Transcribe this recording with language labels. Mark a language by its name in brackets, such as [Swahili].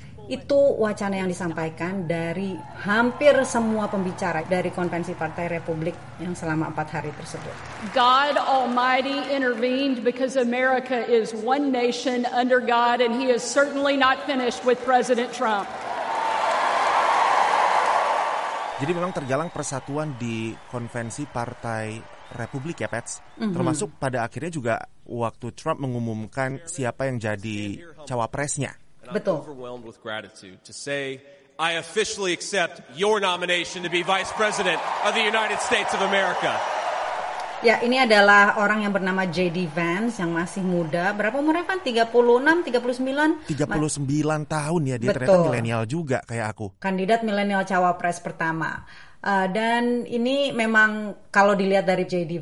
[Indonesian] Itu wacana yang disampaikan dari hampir semua pembicara dari konvensi Partai Republik yang selama 4 hari tersebut. [English] God Almighty intervened because America is one nation under God and he is certainly not finished with President Trump. [Indonesian] Jadi memang tergalang persatuan di konvensi Partai Republik ya, Pets. Termasuk pada akhirnya juga waktu Trump mengumumkan siapa yang jadi cawapresnya. Betul. [English] Overwhelmed with gratitude to say I officially accept your nomination to be Vice President of the United States of America. [Indonesian] Ya, ini adalah orang yang bernama J.D. Vance yang masih muda. Berapa umurnya kan? 36, 39? 39 tahun ya, dia ternyata milenial juga kayak aku. Kandidat milenial cawapres pertama. Dan ini memang kalau dilihat dari J.D.